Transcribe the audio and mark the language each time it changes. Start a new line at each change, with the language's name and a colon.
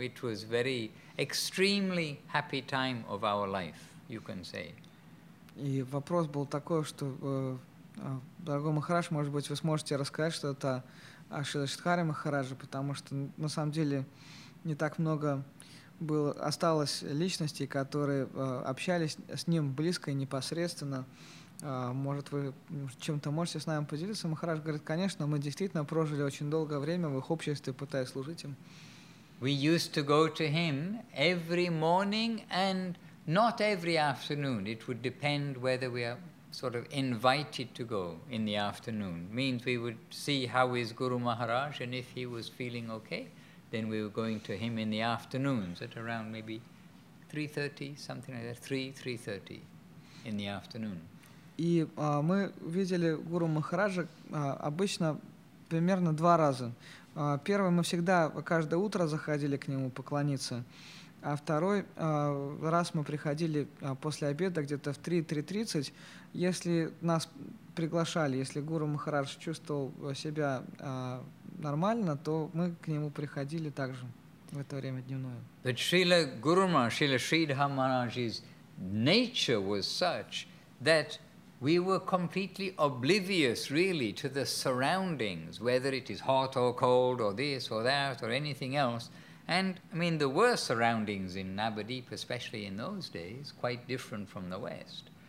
English: It was very extremely happy time of our life, you can say.
Russian: И вопрос был такой, что дорогой Махарадж, может быть, вы сможете рассказать что-то о Шридхаре Махарадже, потому что на самом деле не так много было, осталось личностей, которые общались с ним близко и непосредственно. Может, вы чем-то можете с нами поделиться? Махарадж говорит, конечно, мы действительно прожили очень долгое время в их обществе, пытаясь служить им.
English: We used to go to him every morning and not every afternoon. It would depend whether we are sort of invited to go in the afternoon. Means we would see how is Guru Maharaj, and if he was feeling okay, then we were going to him in the afternoons at around maybe 3:30, something like that, 3:30 in the afternoon.
Russian: И мы видели Гуру Махараджа обычно примерно два раза. Первый, мы всегда каждое утро заходили к нему поклониться, а второй раз мы приходили после обеда где-то в 3:30, если нас приглашали, если Гуру Махарадж чувствовал себя нормально, то мы к нему приходили также в это время дневное.
English: But Srila Guru Maharaj, Srila Sridhara Maharaj's nature was such that we were completely oblivious, really, to the surroundings, whether it is hot or cold or this or that or anything else. And, I mean, there were surroundings in Navadvipa, especially in those days, quite different from the West.